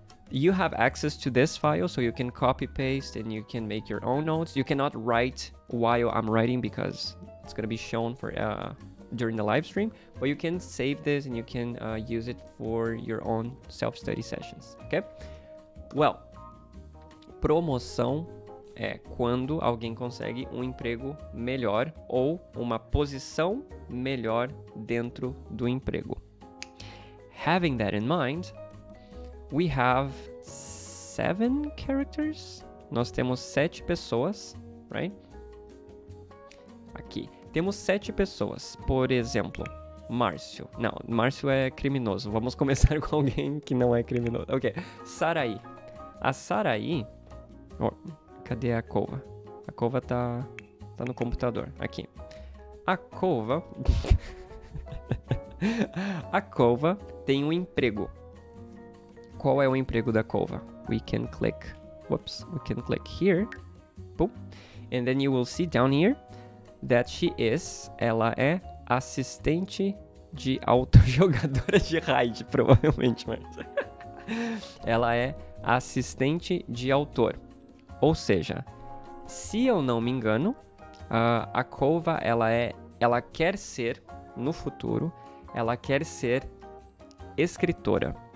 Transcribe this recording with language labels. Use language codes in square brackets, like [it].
[en] You have access to this file, so you can copy-paste and you can make your own notes. You cannot write while I'm writing because it's going to be shown for during the live stream. But you can save this and you can use it for your own self-study sessions, okay? [pt] Well, promoção é quando alguém consegue emprego melhor ou uma posição melhor dentro do emprego. [en] Having that in mind, we have 7 characters. [pt] Nós temos 7 pessoas, right? Aqui. Temos 7 pessoas. Por exemplo, Márcio. Não, Márcio é criminoso. Vamos começar com alguém que não é criminoso. Ok. Saraí. A Saraí... Oh, cadê a Cova? A Cova tá no computador. Aqui. A Cova... a Cova tem um emprego. Qual é o emprego da Cova? [en] We can click... Whoops. We can click here. Boom. And then you will see down here that she is... [pt] Ela é assistente de autojogadora de raid, provavelmente. Mas... ela é assistente de autor. Ou seja, se eu não me engano, a Cova, ela é... Ela quer ser, no futuro, ela quer ser escritora.